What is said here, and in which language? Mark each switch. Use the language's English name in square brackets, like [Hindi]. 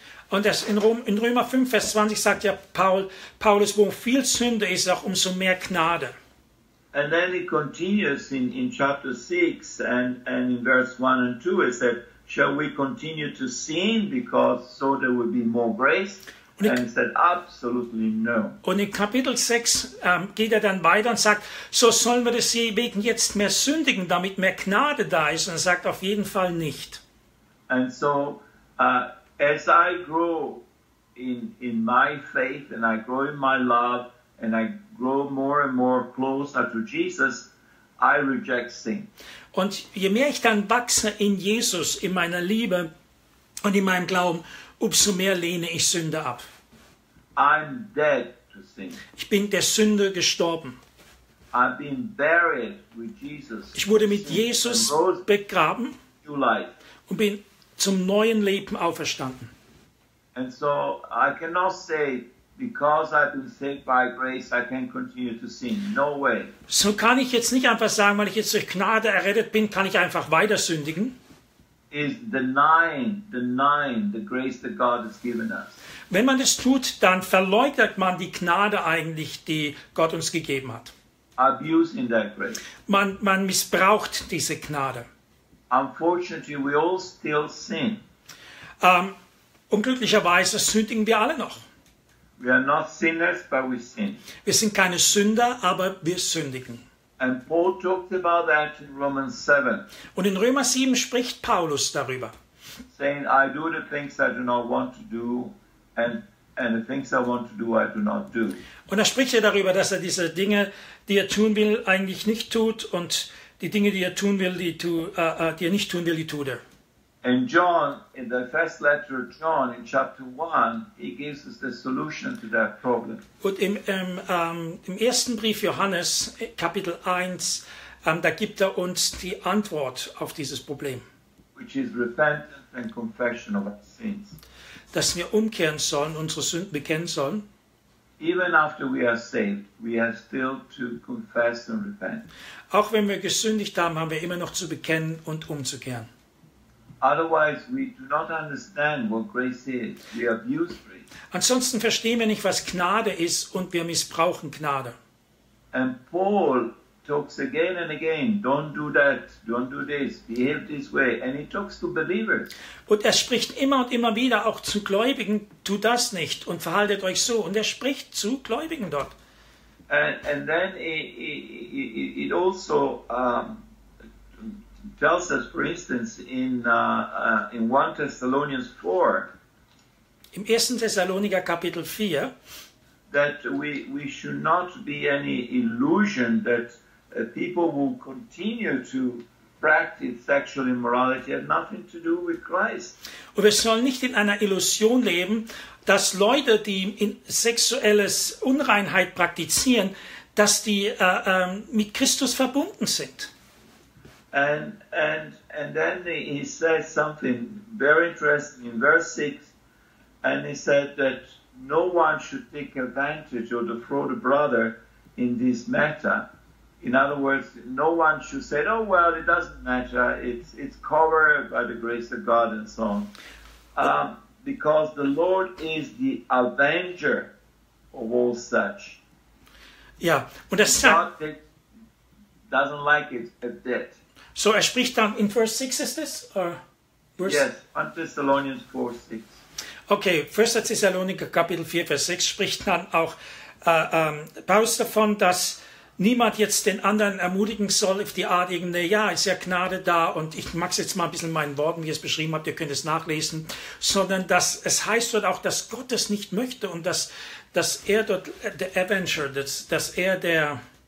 [German] Und das in Römer 5 Vers 20 sagt ja Paulus, wo viel Sünde ist, auch umso mehr Gnade. [English] And then it continues in chapter 6 and in verse 1 and 2 it said, shall we continue to sin because so there will be more grace? And he said, absolutely no. [German] Und in Kapitel 6 geht dann weiter und sagt, so sollen wir das wegen jetzt mehr sündigen, damit mehr Gnade da ist. Und sagt, auf jeden Fall nicht. [English] And so, as I grow in my faith and I grow in my love, and I grow more and more closer to Jesus, I reject sin. [German] Und je mehr ich dann wachse in Jesus, in meiner Liebe und in meinem Glauben, umso mehr lehne ich Sünde ab. [English] I'm dead to sin. [German] Ich bin der Sünde gestorben. [English] I've been buried with Jesus. [German] Ich wurde mit Jesus begraben und bin zum neuen Leben auferstanden. [English] And so I cannot say, because I've been saved by grace, I can continue to sin. No way. [German] So kann ich jetzt nicht einfach sagen, weil ich jetzt durch Gnade errettet bin, kann ich einfach weiter sündigen. [English] Is denying the grace that God has given us. [German] Wenn man das tut, dann verleugnet man die Gnade eigentlich, die Gott uns gegeben hat. [English] Abusing that grace. [German] Man missbraucht diese Gnade. [English] Unfortunately, we all still sin. [German] Unglücklicherweise sündigen wir alle noch. [English] We are not sinners, but we sin. [German] Wir sind keine Sünder, aber wir sündigen. [English] And Paul talked about that in Romans 7. [German] Und in Römer 7 spricht Paulus darüber. [English] Saying, I do the things I do not want to do, and the things I want to do, I do not do. [German] Und er spricht ja darüber, dass er diese Dinge, die er tun will, eigentlich nicht tut, und die Dinge, die er tun will, die er nicht tun will, die tut er. [English] And John, in the first letter of John, in chapter 1, he gives us the solution to that problem. [German] Und im ersten Brief Johannes, Kapitel 1, da gibt er uns die Antwort auf dieses Problem. [English] Which is repentance and confession of our sins. [German] Dass wir umkehren sollen, unsere Sünden bekennen sollen. [English] Even after we are saved, we have still to confess and repent. [German] Auch wenn wir gesündigt haben, haben wir immer noch zu bekennen und umzukehren. [English] Otherwise, we do not understand what grace is. We abuse grace. [German] Ansonsten verstehen wir nicht, was Gnade ist, und wir missbrauchen Gnade. [English] And Paul talks again and again, don't do that, don't do this, behave this way. And he talks to believers. [German] Und er spricht immer und immer wieder auch zu Gläubigen, tu das nicht und verhaltet euch so. Und er spricht zu Gläubigen dort. [English] And then it also tells us, for instance, in 1 Thessalonians 4, [German] im 1. Thessaloniker Kapitel 4, [English] that we should not be any illusion that people will continue to practice sexual immorality have nothing to do with Christ. [German] Und wir sollen nicht in einer Illusion leben, dass Leute, die in sexuelles Unreinheit praktizieren, dass die mit Christus verbunden sind. [English] And then he says something very interesting in verse 6, and he said that no one should take advantage or defraud a brother in this matter. In other words, no one should say, oh, well, it doesn't matter. It's covered by the grace of God and so on. Because the Lord is the avenger of all such. [German] Ja, und das sagt, God [English] doesn't like it a bit. [German] So er spricht dann in verse 6, ist das? [English] Or verse? Yes, 1 Thessalonians 4, 6. [German] Okay, 1 Thessalonica, Kapitel 4, Vers 6, spricht dann auch Paulus davon, dass niemand jetzt den anderen ermutigen soll auf die Art, irgendeine, ja, ist ja Gnade da, und ich mag es jetzt mal ein bisschen in meinen Worten, wie ihr es beschrieben habt, ihr könnt es nachlesen, sondern dass es heißt dort auch, dass Gott es nicht möchte und dass er dort der Avenger, dass er der.